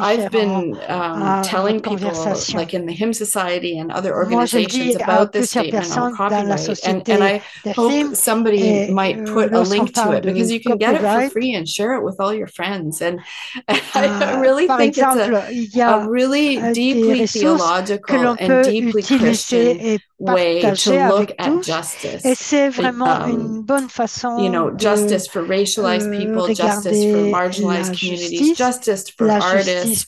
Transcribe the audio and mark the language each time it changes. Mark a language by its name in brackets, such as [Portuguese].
[English] I've been telling people like in the hymn society and other organizations about this statement on copyright and I hope somebody might put a link to it because you can get it for free and share it with all your friends and I really think it's a really deeply theological and deeply Christian way to look at justice. [French] Et c'est vraiment une bonne façon [English] justice for racialized people, justice for marginalized communities, justice for artists.